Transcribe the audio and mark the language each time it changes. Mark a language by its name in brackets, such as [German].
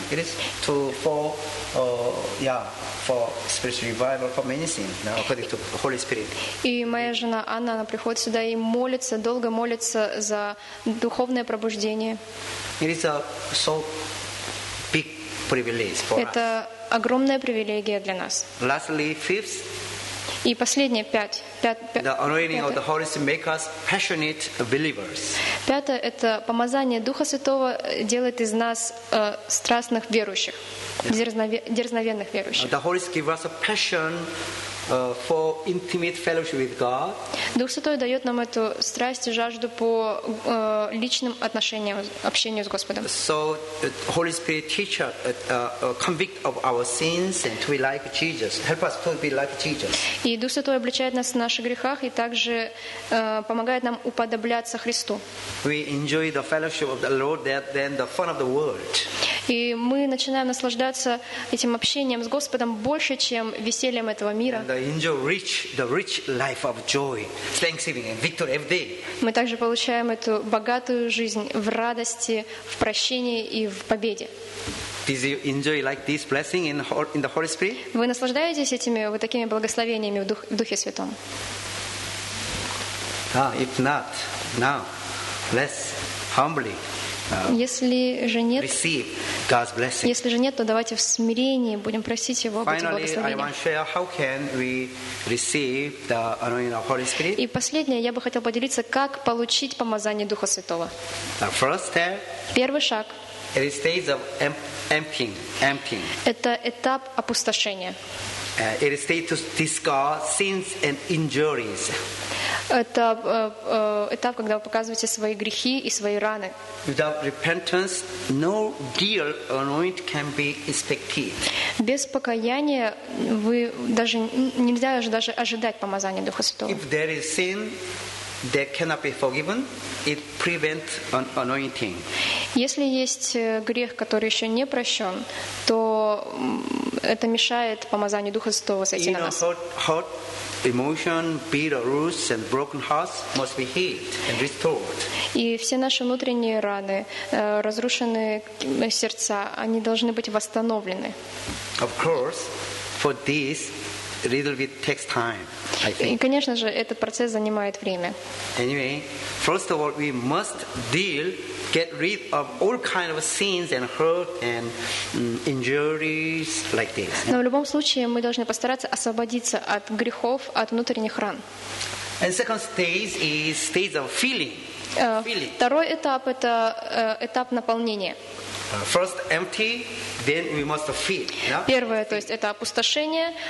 [English] It is to for yeah, for spiritual revival, for many things, you know, according to Holy Spirit. [Russian] И моя жена Анна, она приходит сюда и молится, долго молится за духовное пробуждение. [English] It is a so big privilege for [Russian] Это огромная привилегия для нас. [English] Lastly, fifth. [Russian] И последнее, пятое. [English] The anointing of the Holy Spirit makes us passionate believers. [Russian] Пятое – это помазание Духа Святого делает из нас страстных верующих, дерзновенных верующих. [English] The Holy Spirit gives us a passion for intimate fellowship with God. [Russian] Дух Святой дает нам эту страсть и жажду по личным отношениям, общению с Господом. [English] So the Holy Spirit teaches us, convict of our sins and to be like Jesus. Help us to be like Jesus. [Russian] И Дух Святой обличает нас в наших грехах и также помогает нам уподобляться Христу. [English] We enjoy the fellowship of the Lord, then the fun of the world. [Russian] И мы начинаем наслаждаться этим общением с Господом больше, чем весельем этого мира. [English] And enjoy the rich life of joy, thanksgiving and victory every day. [Russian] Мы также получаем эту богатую жизнь в радости, в прощении и в победе. [English] Did you enjoy like this blessing in the Holy Spirit? [Russian] Вы наслаждаетесь этими вот такими благословениями в Духе Святом? [English] If not, now, let's humbly. [Russian] Если же нет, [English] receive God's blessing. [Russian] Если же нет, то давайте в смирении будем просить Его об этих благословениях. [English] I want to share how can we receive the anointing of Holy Spirit. [Russian] И последнее, я бы хотел поделиться, как получить помазание Духа Святого. [English] The first step. [Russian] Первый шаг. [English] It is stage of emptying. [Russian] Это этап опустошения. [English] It is stage to discard sins and injuries. [Russian] Это этап, когда вы показываете свои грехи и свои раны. [English] Without repentance, no real anointing can be expected. [Russian] Без покаяния вы даже нельзя даже ожидать помазания Духа Святого. [English] If there is sin that cannot be forgiven, it prevents an anointing. [Russian] Если есть грех, который еще не прощен, то это мешает помазанию Духа Святого сойти на нас. [English] Emotion, bitter roots, and broken hearts must be healed and restored. [Russian] И все наши внутренние раны, разрушенные сердца, они должны быть восстановлены. [English] Of course, for this, a little bit takes time, I think. [Russian] И, конечно же, этот процесс занимает время. [English] Anyway, first of all, we must deal, get rid of all kind of sins and hurt and injuries like this. [Russian] Но в любом случае мы должны постараться освободиться от грехов, от внутренних ран. [English] And second stage is stage of filling. [Russian] Второй этап – это этап наполнения. [English] First empty, then we must fill. [Russian] Первое, то есть, это опустошение.